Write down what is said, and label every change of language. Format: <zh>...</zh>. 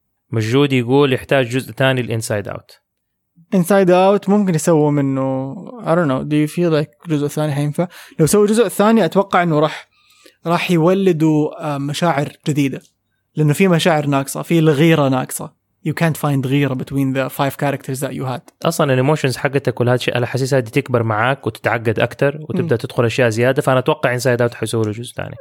<ar>مجود يقول يحتاج جزء تاني الانسايد اوت. انسايد اوت ممكن يسووا منه</ar> <en>I don't know do you feel like</en> <ar>جزء ثاني حينفع. لو سووا جزء ثاني اتوقع انه راح يولدوا مشاعر جديده لانه في مشاعر ناقصه في الغيره ناقصه.</ar> <en>You can't find غيرة between the five characters that you had.</en> <ar>أصلاً الإيموشنز حقتك كل هذا شيء على حسيسها دي تكبر معاك وتتعقد أكتر وتبدأ تدخل أشياء زيادة فأنا أتوقع إنسايد أوت حيسوي له جزء ثاني.</ar>